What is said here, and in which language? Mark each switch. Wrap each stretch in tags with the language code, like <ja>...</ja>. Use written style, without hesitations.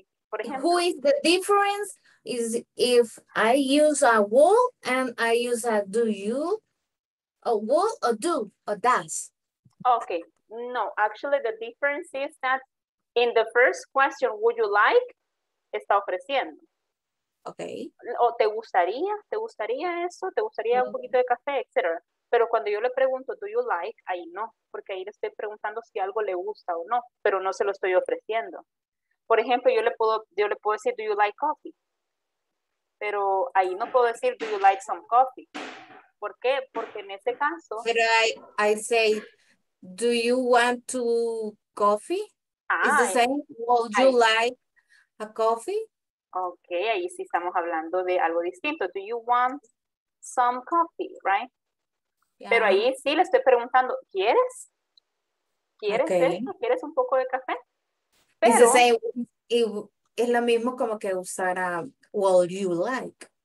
<es>Por ejemplo,</es> <en>who is the difference is if I use a will and I use a do you, a will or do or does. Okay, no, actually the difference is that in the first question, would you like,</en> <es>está ofreciendo.</es> <en>Okay.</en> <es>O te gustaría eso, te gustaría un poquito de café, etc. Pero cuando yo le pregunto,</es> <en>do you like,</en> <es>ahí no, porque ahí le estoy preguntando si algo le gusta o no, pero no se lo estoy ofreciendo. Por ejemplo, yo le puedo decir,</es> <en>do you like coffee?</en> <es>Pero ahí no puedo decir,</es> <en>do you like some coffee?</en> <es>¿Por qué? Porque en ese caso...</es> <en>Pero I say, do you want to coffee? Ah, it's the same, would you like a coffee?</en> <es>Ok, ahí sí estamos hablando de algo distinto.</es> <en>Do you want some coffee, right? Yeah.</en> <es>Pero ahí sí le estoy preguntando, ¿quieres? ¿Quieres esto? ¿Quieres un poco de café? Pero,</es> <en>it's the same,</en> <es>es lo mismo como que usar a</es> <en>would you like</en>